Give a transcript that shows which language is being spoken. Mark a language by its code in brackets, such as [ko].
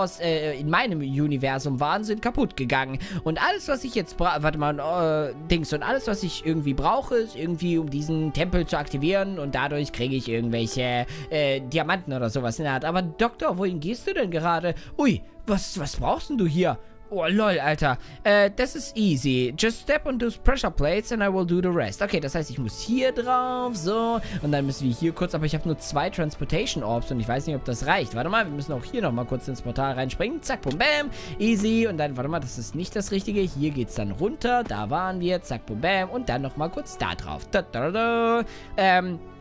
[de] Wars in meinem Universum waren, sind kaputt gegangen. Und alles, was ich jetzt brauche, und alles, was ich irgendwie brauche, ist irgendwie, um diesen Tempel zu aktivieren und dadurch kriege ich irgendwelche Diamanten oder sowas in der Art. Aber Doktor, wohin gehst du denn gerade? Ui, was brauchst denn du hier? Oh, lol, Alter. Das ist easy. [en] Just step on those pressure plates and I will do the rest. [de] Okay, das heißt, ich muss hier drauf, so. Und dann müssen wir hier kurz, aber ich habe nur 2 Transportation Orbs und ich weiß nicht, ob das reicht. Warte mal, wir müssen auch hier nochmal kurz ins Portal reinspringen. Zack, boom, bam. Easy. Und dann, warte mal, das ist nicht das Richtige. Hier geht's dann runter. Da waren wir. Zack, boom, bam. Und dann nochmal kurz da drauf. Da, da, da, da.